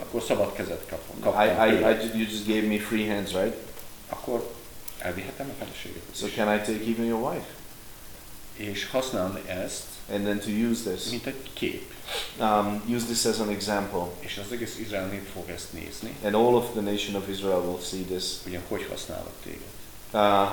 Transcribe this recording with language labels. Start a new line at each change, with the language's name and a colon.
Hungarian: Akkor szabad kezet kaptam.
English: You just gave me free hands, right?
Hungarian: Akkor elvihetem a feleséget.
English: So can I take even your wife?
Hungarian: És használni ezt.
English: And then to use this.
Hungarian: Mint egy kép.
English: Use this as an example.
Hungarian: És az egész Izrael nép fog ezt nézni.
English: And all of the nation of Israel will see this.
Hungarian: Ugyan, hogy használok téged.